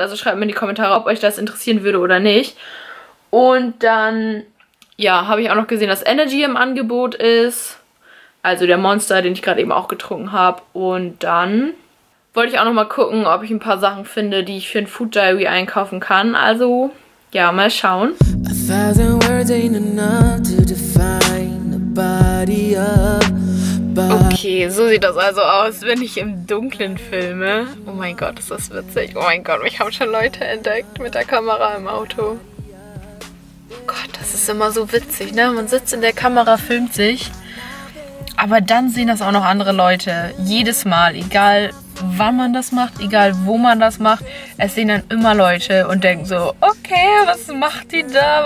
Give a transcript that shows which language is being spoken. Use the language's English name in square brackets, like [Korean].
[German] Also schreibt mir in die Kommentare, ob euch das interessieren würde oder nicht. Und dann, ja, habe ich auch noch gesehen, dass Energy im Angebot ist. Also der Monster, den ich gerade eben auch getrunken habe. Und dann wollte ich auch noch mal gucken, ob ich ein paar Sachen finde, die ich für ein Food Diary einkaufen kann. Also, ja, mal schauen. [English] A thousand words ain't enough to define the body of body. [German] Okay, so sieht das also aus, wenn ich im Dunkeln filme. Oh mein Gott, ist das witzig. Oh mein Gott, mich haben schon Leute entdeckt mit der Kamera im Auto. Gott, das ist immer so witzig, ne? Man sitzt in der Kamera, filmt sich. Aber dann sehen das auch noch andere Leute. Jedes Mal, egal wann man das macht, egal wo man das macht, es sehen dann immer Leute und denken so, okay, was macht die da?